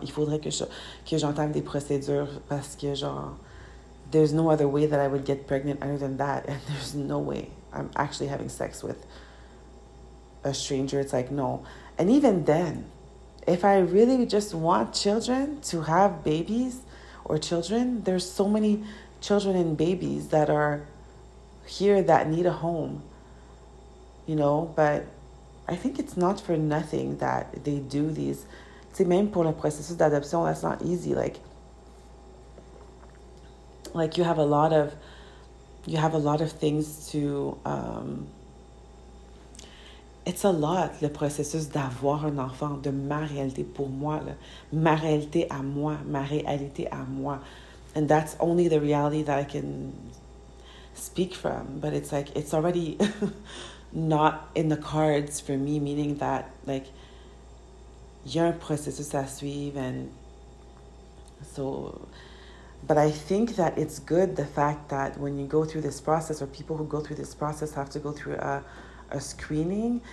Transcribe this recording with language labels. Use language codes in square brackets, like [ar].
[fr] Il faudrait que j'entame des procédures parce que genre... [en] There's no other way that I would get pregnant other than that. And there's no way I'm actually having sex with... a stranger, it's like, no. And even then, if I really just want children to have babies or children, there's so many children and babies that are here that need a home, you know? But I think it's not for nothing that they do these. [fr] C'est même pour le processus d'adoption, [en] that's not easy. Like you have a lot of things to... It's a lot, [fr] le processus d'avoir un enfant, de ma réalité pour moi, là. Ma réalité à moi, ma réalité à moi. [en] And that's only the reality that I can speak from. But it's like, it's already not in the cards for me, meaning that, like, [fr] y a un processus à suivre. [en] And so, but I think that it's good, the fact that when you go through this process, or people who go through this process have to go through a screening.